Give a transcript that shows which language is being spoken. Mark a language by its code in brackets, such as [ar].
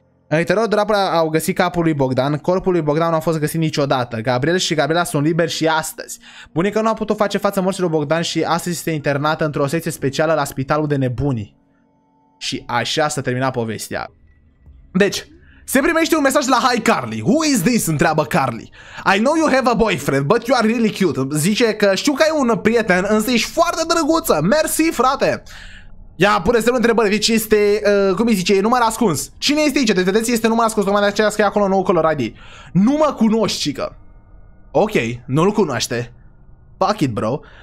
[ro] Uite, rău, dulapul au găsit capul lui Bogdan. Corpul lui Bogdan nu a fost găsit niciodată. Gabriel și Gabriela sunt liberi și astăzi. Bunica nu a putut face față morții lui Bogdan și astăzi este internată într-o secție specială la spitalul de nebuni. Și așa s-a terminat povestea. Deci, se primește un mesaj la Hi Carly. [en] Who is this? [ro] Întreabă Carly. [en] I know you have a boyfriend, but you are really cute. [ro] Zice că știu că ai un prieten, însă ești foarte drăguță. Mersi, frate. Ia, pune semnul întrebări, deci este, cum îi zice, e număr ascuns. Cine este aici? Deci vedeți, este număr ascuns, tocmai de aceea scrie acolo nou color ID. Nu mă cunoști, cică. Ok, nu-l cunoaște. [en] Fuck it, bro.